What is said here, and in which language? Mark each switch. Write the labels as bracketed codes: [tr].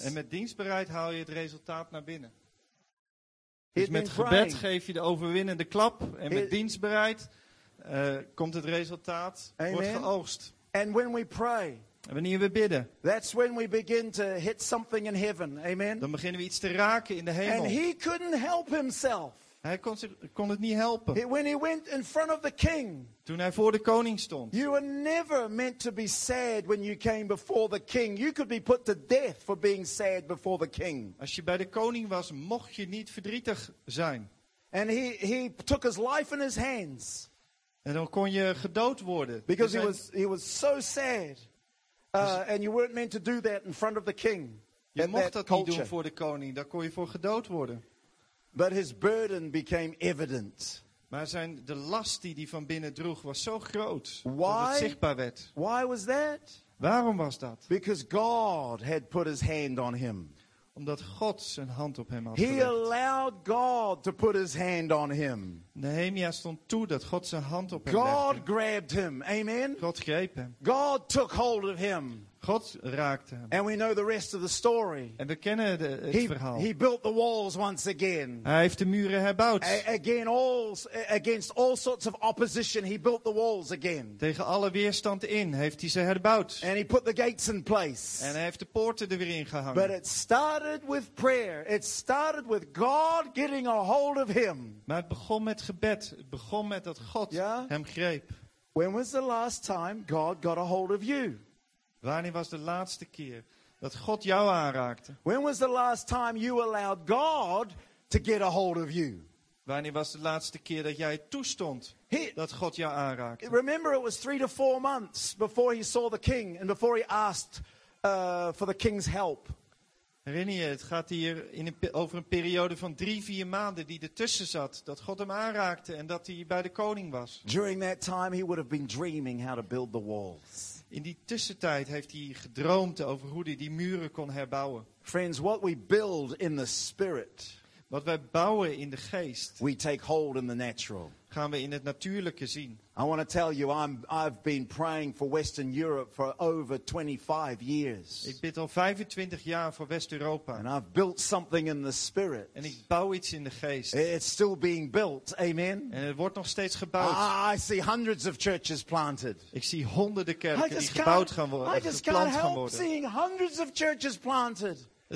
[nl] En met dienstbaarheid haal je het resultaat naar binnen. Dus met gebed geef je de overwinnende klap. En met dienstbaarheid komt het resultaat, wordt geoogst. [en] And when we pray, [nl] en wanneer we bidden, [en] that's when we begin to hit something in heaven. Amen? [nl] Dan beginnen we iets te raken in de hemel. [en] And he couldn't help himself. [nl] Hij kon het niet helpen. [en] When he went in front of the king, [nl] toen hij voor de koning stond. [en] You were never meant to be sad when you came before the king. You could be put to death for being sad before the king. [nl] Als je bij de koning was, mocht je niet verdrietig zijn. [en] And he took his life in his hands. [nl] En dan kon je gedood worden. [en] Because he was so sad. And you weren't meant to do that in front of the king. [nl] Je mocht dat niet doen voor de koning. Daar kon je voor gedood worden. [en] But his burden became evident. [nl] Maar de last die hij van binnen droeg was zo groot dat het zichtbaar werd. [en] Why was that? [nl] Waarom was dat? [en] Because God had put his hand on him. [nl] Omdat God zijn hand op hem had gelegd. [en] He allowed God to put his hand on him. [nl] Nehemia stond toe dat God zijn hand op hem [en] God [nl] legde. [en] God grabbed him. Amen. [nl] God greep hem. [en] God took hold of him. [nl] God raakte hem. [en] And we know the rest of the story. [nl] En we kennen het verhaal. [en] He built the walls once again. [nl] Hij heeft de muren herbouwd. [en] Against all sorts of opposition, he built the walls again. [nl] Tegen alle weerstand in heeft hij ze herbouwd. [en] And he put the gates in place. [nl] En hij heeft de poorten er weer in gehangen. [en] But it started with prayer. It started with God getting a hold of him. [nl] Maar het begon met gebed. Het begon met dat God hem greep. [en] When was the last time God got a hold of you? [nl] Wanneer was de laatste keer dat God jou aanraakte? [en] When was the last time you allowed God to get a hold of you? [nl] Wanneer was de laatste keer dat jij toestond dat God jou aanraakte? [en] Remember, it was 3 to 4 months before he saw the king and before he asked for the king's help. [nl] Herinner je, het gaat hier over een periode van 3-4 maanden die ertussen zat, dat God hem aanraakte en dat hij bij de koning was. [en] During that time he would have been dreaming how to build the walls. [nl] In die tussentijd heeft hij gedroomd over hoe hij die muren kon herbouwen. [en] Friends, what we build in the spirit, [nl] Wat wij bouwen in de geest. [en] We take hold in the natural. [nl] Gaan we in het natuurlijke zien. [en] I want to tell you, I've been praying for Western Europe for over 25 years. [nl] Ik bid al 25 jaar voor West-Europa. [en] And I've built something in the spirit. [nl] En ik bouw iets in de geest. [en] It's still being built. Amen. [nl] En het wordt nog steeds gebouwd. [en] I see hundreds of churches planted. [nl] Ik zie honderden kerken die gebouwd gaan worden. [en] I just can't help seeing hundreds of churches planted.